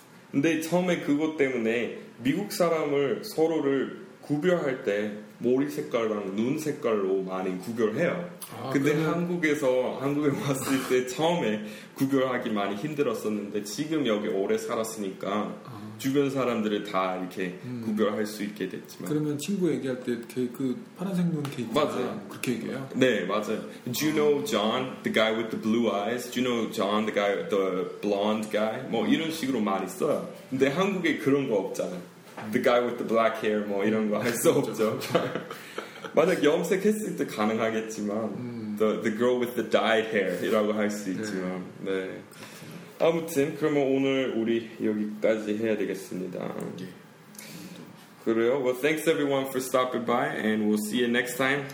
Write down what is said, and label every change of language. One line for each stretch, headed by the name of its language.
Korean: 근데 처음에 그것 때문에 미국 사람을 서로를 구별할 때 머리 색깔랑 눈 색깔로 많이 구별해요. 근데 그래요? 한국에서 한국에 왔을 때 처음에 구별하기 많이 힘들었었는데 지금 여기 오래 살았으니까 주변 사람들을 다 이렇게 구별할 수 있게 됐지만 그러면 친구 얘기할 때 그 파란색 눈 케이크 맞아요 그렇게 얘기해요? 네 맞아요.
English: Do you know John, the guy with the blue eyes? Do you know John, the guy, the blonde guy?
Korean: 뭐 이런 식으로 많이 써요. 근데 한국에 그런 거 없잖아요.
English: The guy with the black hair
Korean: 뭐 이런 거 할 수 없죠. 만약 염색했을 때 가능하겠지만
English: the girl with the dyed hair
Korean: 이라고 할 수 있지만 네. 아무튼 그러면 오늘 우리 여기까지 해야 되겠습니다. 그래요.
English: Well, thanks everyone for stopping by and we'll see you next time.